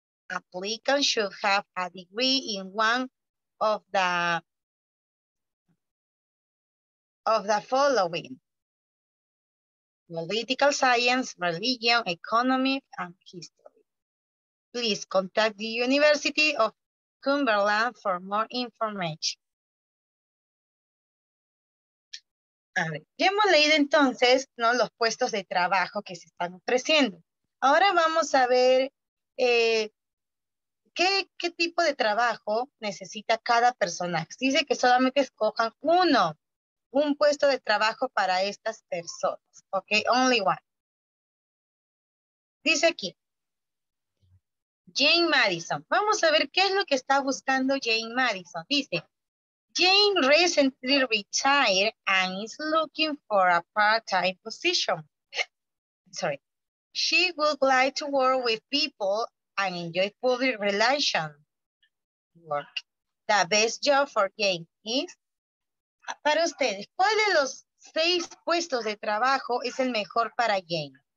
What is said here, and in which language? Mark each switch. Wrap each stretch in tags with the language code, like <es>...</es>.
<en>Applicants should have a degree in one of the following: political science, religion, economy, and history. Please contact the University of Cumberland for more information.</en> <es>A ver, ya hemos leído entonces, ¿no?, los puestos de trabajo que se están ofreciendo. Ahora vamos a ver qué tipo de trabajo necesita cada persona. Dice que solamente escojan uno. Un puesto de trabajo para estas personas.</es> <en>Ok, only one.</en> <es>Dice aquí, Jane Madison. Vamos a ver qué es lo que está buscando Jane Madison. Dice,</es> <en>Jane recently retired and is looking for a part-time position. Sorry. She would like to work with people and enjoy public relations work. The best job for Jane is...</en> <es>Para ustedes, ¿cuál de los seis puestos de trabajo es el mejor para Jane?</es>